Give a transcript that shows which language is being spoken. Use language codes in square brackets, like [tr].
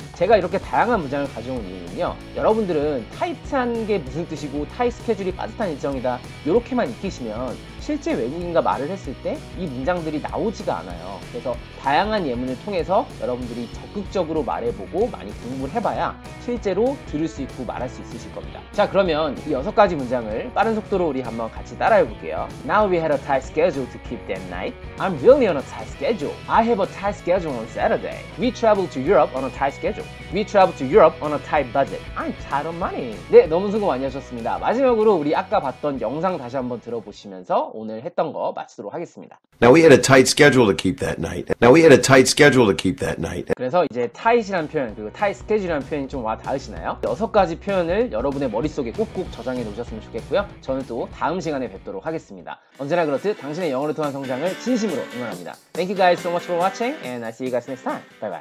[ko] 제가 이렇게 다양한 문장을 가져온 이유는요. 여러분들은 tight한 게 무슨 뜻이고 tight 스케줄이 빠듯한 일정이다 이렇게만 익히시면 실제 외국인과 말을 했을 때 이 문장들이 나오지가 않아요. 그래서 다양한 예문을 통해서 여러분들이 적극적으로 말해보고 많이 공부를 해봐야 실제로 들을 수 있고 말할 수 있으실 겁니다. 자, 그러면 이 여섯 가지 문장을 빠른 속도로 우리 한번 같이 따라해 볼게요. [en] Now we had a tight schedule to keep that night. I'm really on a tight schedule. I have a tight schedule on Saturday. We traveled to Europe on a tight schedule. We traveled to Europe on a tight budget. I'm tight on money. [ko] 네, 너무 수고 많이 하셨습니다. 마지막으로 우리 아까 봤던 영상 다시 한번 들어보시면서 오늘 했던 거 마치도록 하겠습니다. [en] Now we had a tight schedule to keep that night. Now we had a tight schedule to keep that night. [ko] 그래서 이제 tight이라는 표현 그리고 tight schedule이라는 표현이 좀 와 닿으시나요? 여섯 가지 표현을 여러분의 머릿속에 꾹꾹 저장해 놓으셨으면 좋겠고요. 저는 또 다음 시간에 뵙도록 하겠습니다. 언제나 그렇듯 당신의 영어를 통한 성장을 진심으로 응원합니다. [en] Thank you guys so much for watching and I'll see you guys next time. Bye bye.